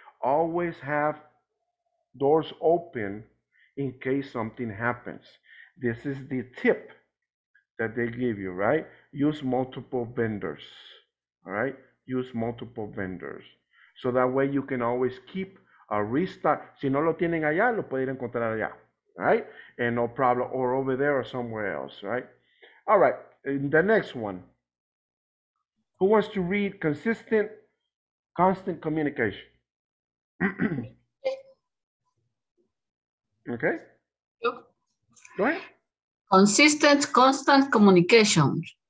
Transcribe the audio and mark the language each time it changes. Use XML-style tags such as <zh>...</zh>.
<en>Always have doors open in case something happens. This is the tip that they give you, right? Use multiple vendors, all right? Use multiple vendors. So that way you can always keep a restock.</en> <es>Si no lo tienen allá, lo pueden encontrar allá,</es> <en>right? And no problem, or over there or somewhere else, right? All right. In the next one, who wants to read consistent, constant communication? Okay. Go ahead. Consistent, constant communication.</en>